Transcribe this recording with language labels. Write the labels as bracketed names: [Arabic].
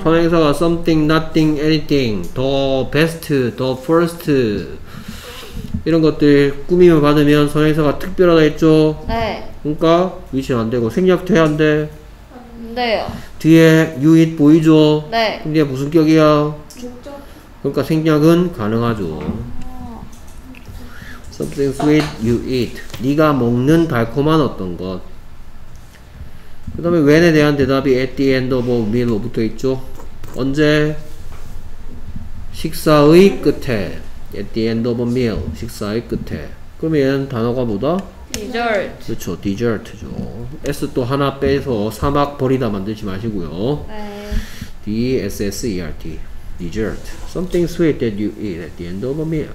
[Korean] 선행사가 something, nothing, anything, the best, the first. 이런 것들 꾸밈을 받으면 선행사가 특별하다 했죠? 네. 그러니까 위치는 안 되고 생략돼, 안 돼? 안 돼요. 뒤에 you it 보이죠? 네. 근데 무슨 격이야? 목적. 그러니까 생략은 가능하죠. [English] Something sweet you eat. [Korean] 네가 먹는 달콤한 어떤 것. 그 다음에 when에 대한 대답이 [English] at the end of a meal [Korean] 로 붙어있죠? 언제? 식사의 끝에. [English] At the end of a meal, 식사의 끝에. [Korean] 그러면 단어가 뭐다? [English] Dessert. [Korean] 그렇죠, dessert죠. S 또 하나 빼서 사막 버리다 만들지 마시고요. 네. [English] D-S-S-E-R-T, dessert. Something sweet that you eat at the end of a meal.